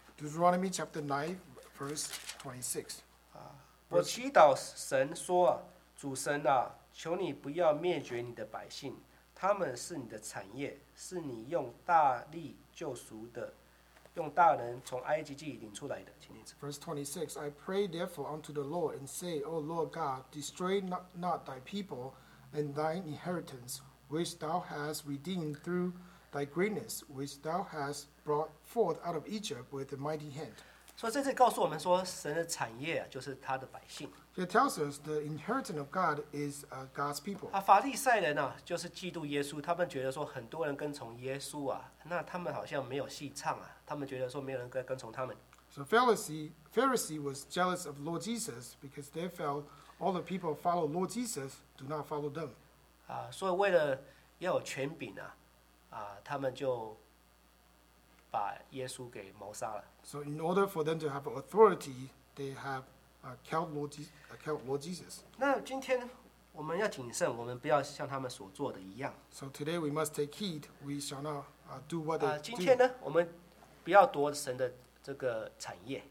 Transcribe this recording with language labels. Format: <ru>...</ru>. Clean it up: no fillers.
<en>Deuteronomy chapter 9, verse 26.</en> <zh>我祈祷神说：“主神啊，求你不要灭绝你的百姓，他们是你的产业，是你用大力救赎的，用大能从埃及地领出来的。” 请念。</zh> <en>Verse 26. I pray therefore unto the Lord and say, O Lord God, destroy not thy people and thine inheritance, which thou hast redeemed through thy greatness, which thou hast brought forth out of Egypt with a mighty hand.</en> <zh>所以这次告诉我们说，神的产业就是他的百姓。</zh> <en>He tells us the inheritance of God is God's people.</en> <zh>啊，法利赛人啊，就是嫉妒耶稣，他们觉得说很多人跟从耶稣啊，那他们好像没有戏唱啊，他们觉得说没有人跟从他们。</zh> <en>So Pharisee was jealous of Lord Jesus because they felt all the people follow Lord Jesus do not follow them.</en> <zh>啊，所以为了要有权柄啊，啊，他们就把耶稣给谋杀了。</zh> <en>So in order for them to have authority, they have killed Lord Jesus.</en> <zh>那今天我们要谨慎，我们不要像他们所做的一样。</zh> <en>So today we must take heed. We shall not do what they do.</en> <zh>今天呢，我们不要夺神的这个产业。</zh>